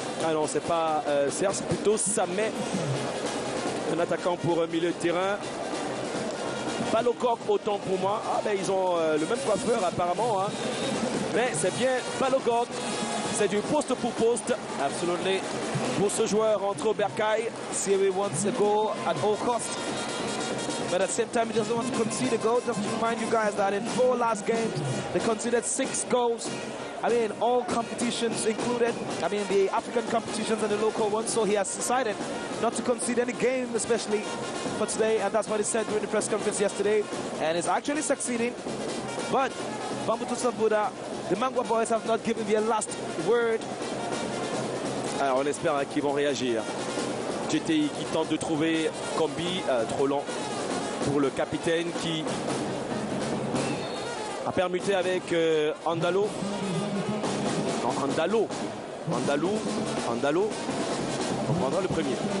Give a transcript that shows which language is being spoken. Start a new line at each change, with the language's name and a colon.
French: Ah non, c'est pas Serge, c'est plutôt Samé, un attaquant pour milieu de terrain. Balogok autant pour moi. Ah ben ils ont le même coiffeur apparemment. Hein. Mais c'est bien Balogok, c'est du poste pour poste. Absolument. Pour ce joueur, entre au Bercail,
English: si we want to go at all costs. But at the same time, he doesn't want to concede a goal. Just to remind you guys that in four last games, they conceded 6 goals. I mean, all competitions included. I mean, the African competitions and the local ones. So he has decided not to concede any game, especially for today. And that's what he said during the press conference yesterday. And it's actually succeeding. But Bamboutos of Buda, the Mangwa boys have not given their last word.
French: Alors, on espère qu'ils vont réagir. GTI qui tente de trouver Kombi trop long. Pour le capitaine qui a permuté avec Andalou. Non, Andalou. Andalou. Andalou. On prendra le premier.